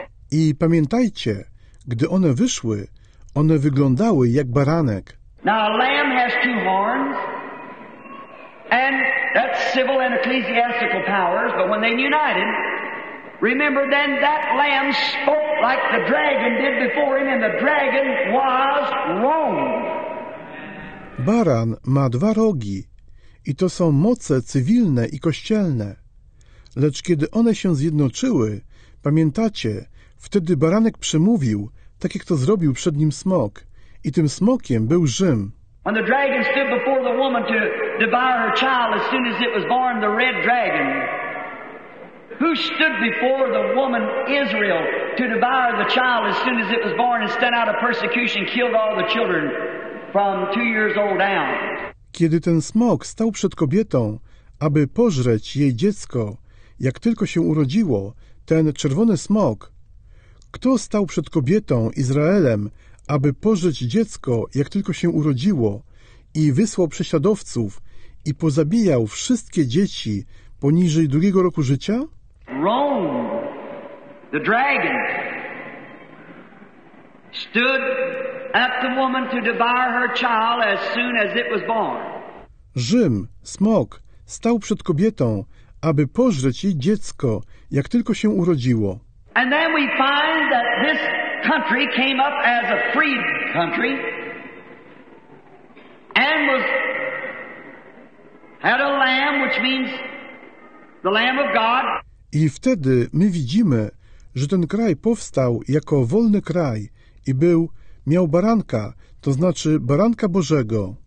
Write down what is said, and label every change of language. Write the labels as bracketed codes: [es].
[pl] I pamiętajcie, gdy one wyszły, one wyglądały jak baranek. [en] Now a lamb has two horns, and that's civil and ecclesiastical powers, but when they united, remember then that lamb spoke like the dragon did before him, and the dragon was Rome. [pl] Baran ma dwa rogi i to są moce cywilne i kościelne. Lecz kiedy one się zjednoczyły, pamiętacie, wtedy baranek przemówił, tak jak to zrobił przed nim smok, i tym smokiem był Rzym. [en] When the dragon stood before the woman to devour her child as soon as it was born, the red dragon. Who stood before the woman Israel to devour the child as soon as it was born and stand out of persecution, killed all the children from 2 years old down. [pl] Kiedy ten smok stał przed kobietą, aby pożreć jej dziecko, jak tylko się urodziło, ten czerwony smok, kto stał przed kobietą Izraelem, aby pożreć dziecko, jak tylko się urodziło, i wysłał prześladowców i pozabijał wszystkie dzieci poniżej drugiego roku życia? [en] Rome, the dragon, stood up the woman to devour her child as soon as it was born. [pl] Rzym, smok, stał przed kobietą, aby pożreć jej dziecko, jak tylko się urodziło. [en] And then we find that this country came up as a free country and was had a lamb, which means the Lamb of God. [pl] I wtedy my widzimy, że ten kraj powstał jako wolny kraj i był, miał baranka, to znaczy baranka Bożego.